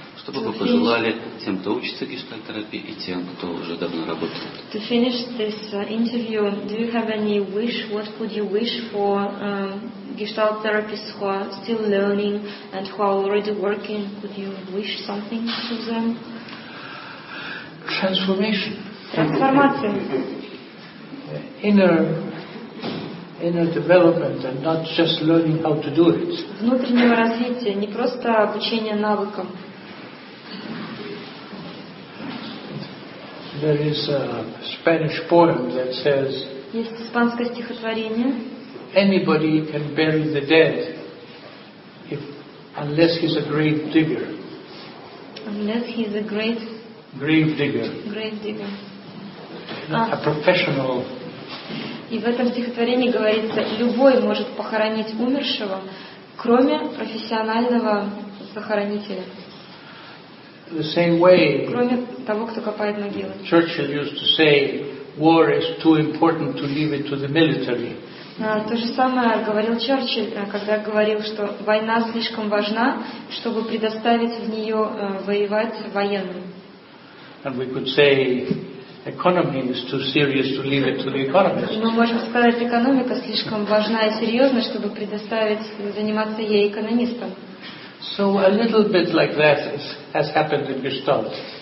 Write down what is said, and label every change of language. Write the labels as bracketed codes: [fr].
[ru] Что бы вы пожелали тем, кто учится гештальт-терапии, и тем, кто уже давно работает? [en] To finish this interview, do you have any wish? What would you wish for gestalt therapists who are still learning and who are already working? Could you wish something to them? Transformation. [ru] Трансформация. [en] Inner development and not just learning how to do it. [ru] Внутреннего развития, не просто обучение навыкам. [en] There is a Spanish poem that says. [ru] Есть испанское стихотворение. [en] Anybody can bury the dead, unless he's a grave digger. Unless he's a great. Grave digger. Grave digger. A professional. [ru] И в этом стихотворении говорится: любой может похоронить умершего, кроме профессионального захоронителя. [en] The same way. [ru] Кроме того, кто копает могилы. [en] Churchill used to say, "War is too important to leave it to the military." [ru] То же самое говорил Черчилль, когда говорил, что война слишком важна, чтобы предоставить в нее воевать военным. [en] And we could say, economy is too serious to leave it to the economists. [ru] Мы можем сказать, экономика слишком важна и серьезна, чтобы предоставить заниматься ей экономистам. [en] So a little bit like that has happened in Gestalt.